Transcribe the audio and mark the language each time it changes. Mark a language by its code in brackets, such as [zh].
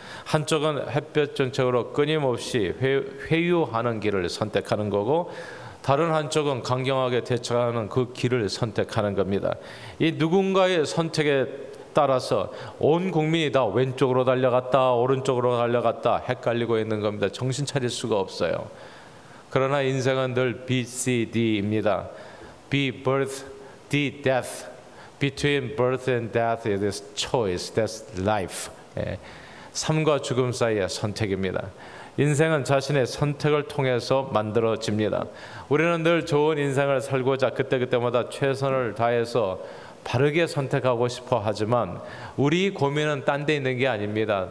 [ko] 한쪽은 햇볕 정책으로 끊임없이 회유하는 길을 선택하는 거고 다른 한쪽은 강경하게 대처하는 그 길을 선택하는 겁니다. 이 누군가의 선택에 따라서 온 국민이 다 왼쪽으로 달려갔다 오른쪽으로 달려갔다 헷갈리고 있는 겁니다. 정신 차릴 수가 없어요. 그러나 인생은 늘 BCD입니다. [en] B birth, D death. Between birth and death it is choice, that's life. [ko] 예. 삶과 죽음 사이의 선택입니다. 인생은 자신의 선택을 통해서 만들어집니다. 우리는 늘 좋은 인생을 살고자 그때그때마다 최선을 다해서 바르게 선택하고 싶어 하지만 우리 고민은 딴 데 있는 게 아닙니다.